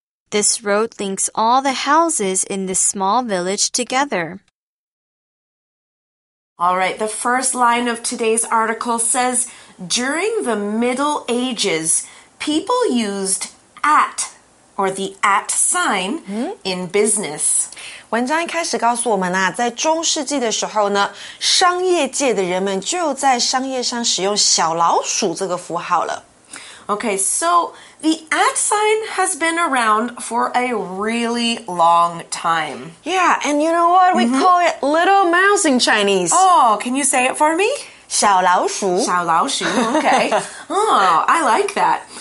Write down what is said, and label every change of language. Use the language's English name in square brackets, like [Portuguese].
[English] This road links all the houses in this small village together. All right, the first line of today's article says, during the Middle Ages, people used at or the at sign in business. [Chinese] 文章一开始告诉我们啊，在中世纪的时候呢，商业界的人们就在商业上使用小老鼠这个符号了。 [English] Okay, so the at sign has been around for a really long time. Yeah, and you know what? We call it little mouse in Chinese. Oh, can you say it for me? [Chinese] 小老鼠。 [English] 小老鼠, okay. Oh, I like that.